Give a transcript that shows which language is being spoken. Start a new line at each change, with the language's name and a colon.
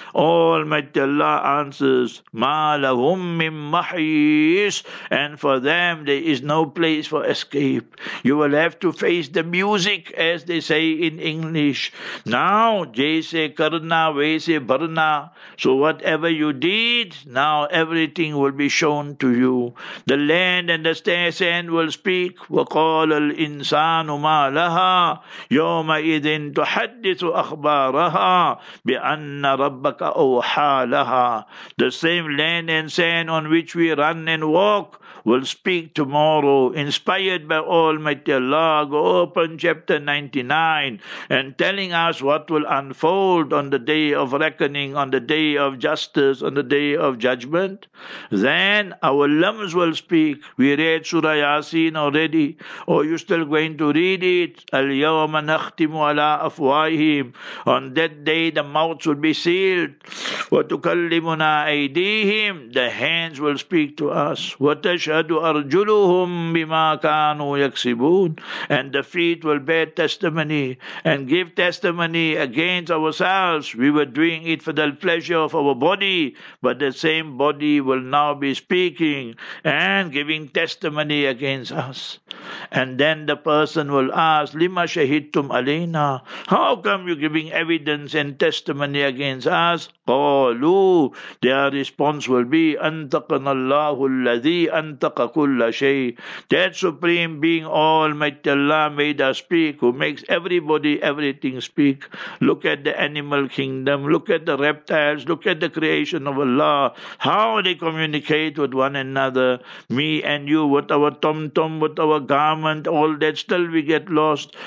English: Almighty Allah answers,
Arabic: Ma lahum min mahis,
English: and for them there is no place for escape. You will have to face the music, as they say in English. Now,
Hindi: jaise karna vaise bharna,
English: so whatever you did, now everything will be shown to you. The land and the sand will speak,
Arabic: وَقَالَ الْإِنسَانُ مَا لَهَا يَوْمَ إِذٍ تُحَدِّثُ أَخْبَارَهَا بِأَنَّ رَبَّكَ أَوْحَى لَهَا.
English: The same land and sand on which we run and walk will speak tomorrow, inspired by Almighty Allah. Go open chapter 99 and telling us what will unfold on the day of reckoning, on the day of justice, on the day of judgment. Then our limbs will speak. We read Surah Yasin already, or you still going to read it?
Arabic: Al yawma nakhtimu ala afwahihim.
English: On that day the mouths will be sealed.
Arabic: Wa tukallimuna aydihim.
English: The hands will speak to us.
Arabic: وَتَشْهَدُ أَرْجُلُهُمْ بِمَا كَانُوا يَكْسِبُونَ.
English: And the feet will bear testimony and give testimony against ourselves. We were doing it for the pleasure of our body, but the same body will now be speaking and giving testimony against us. And then the person will ask,
Arabic: لِمَا شَهِدْتُمْ عَلَيْنَا.
English: How come you're giving evidence and testimony against us?
Arabic: قَالُوا.
English: Their response will be,
Arabic: أَنْتَقَنَ اللَّهُ الَّذِي أَنْتَقَ كُلَّ شَيْءٍ.
English: That supreme being, Almighty Allah, made us speak, who makes everybody, everything speak. Look at the animal kingdom, look at the reptiles, look at the creation of Allah, how they communicate with one another. Me and you, with our tom-tom, with our garment, all that, still we get lost.